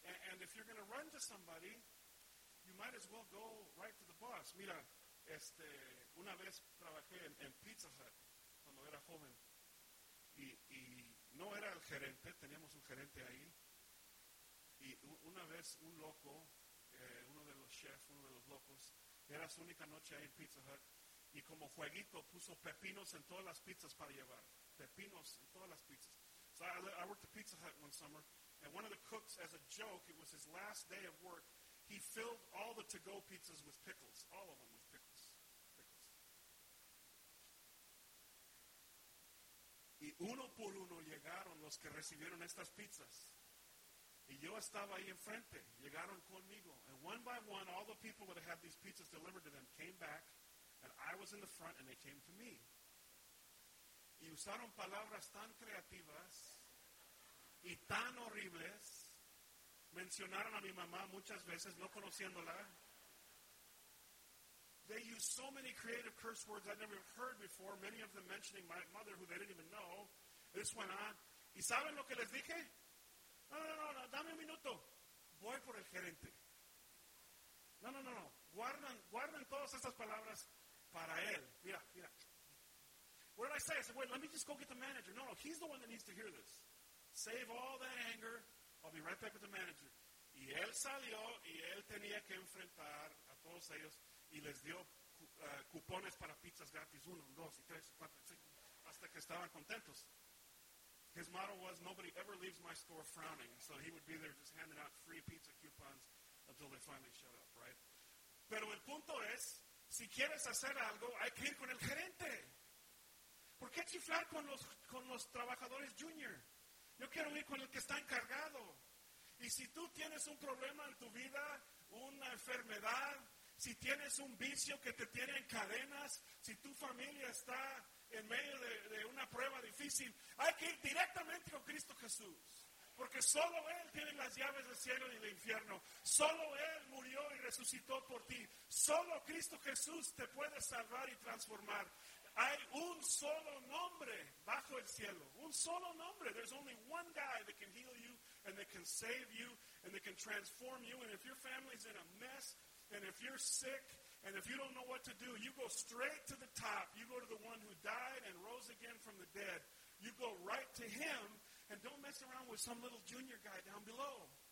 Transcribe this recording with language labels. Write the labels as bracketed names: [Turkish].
[English] And if you're going to run to somebody, you might as well go right to the boss. [Spanish] Mira, una vez trabajé en Pizza Hut cuando era joven. Y no era el gerente, teníamos un gerente ahí. Y una vez un loco, uno de los chefs, uno de los locos, era su única noche ahí en Pizza Hut, y como jueguito puso pepinos en todas las pizzas para llevar. Pepinos en todas las pizzas. [English] So I worked at Pizza Hut one summer, and one of the cooks, as a joke, it was his last day of work, he filled all the to-go pizzas with pickles, all of them with pickles. Pickles. [Spanish] Y uno por uno llegaron los que recibieron estas pizzas. Y yo estaba ahí enfrente, llegaron conmigo. [English] And one by one, all the people that had these pizzas delivered to them came back, and I was in the front, and they came to me. [Spanish] Y usaron palabras tan creativas y tan horribles. Mencionaron a mi mamá muchas veces, no conociéndola. [English] They used so many creative curse words I'd never heard before, many of them mentioning my mother, who they didn't even know. This went on. [Spanish] ¿Y saben lo que les dije? No, dame un minuto. Voy por el gerente. No. Guardan todas estas palabras para él. Mira. [English] What did I say? I said, wait, let me just go get the manager. No, he's the one that needs to hear this. Save all that anger. I'll be right back with the manager. [Spanish] Y él salió, y él tenía que enfrentar a todos ellos, y les dio cupones para pizzas gratis, uno, dos, y tres, cuatro, cinco, hasta que estaban contentos. [English] His motto was, nobody ever leaves my store frowning. So he would be there just handing out free pizza coupons until they finally shut up, right? [Spanish] Pero el punto es, si quieres hacer algo, hay que ir con el gerente. ¿Por qué chiflar con los trabajadores junior? Yo quiero ir con el que está encargado. Y si tú tienes un problema en tu vida, una enfermedad, si tienes un vicio que te tiene en cadenas, si tu familia está en medio de una prueba difícil, hay que ir directamente con Cristo Jesús. Porque solo Él tiene las llaves del cielo y del infierno. Solo Él murió y resucitó por ti. Solo Cristo Jesús te puede salvar y transformar. Hay un solo nombre bajo el cielo. Un solo nombre. [English] There's only one guy that can heal you and that can save you and that can transform you. And if your family's in a mess and if you're sick and if you don't know what to do, you go straight to the top. You go to the one who died and rose again from the dead. You go right to him and don't mess around with some little junior guy down below.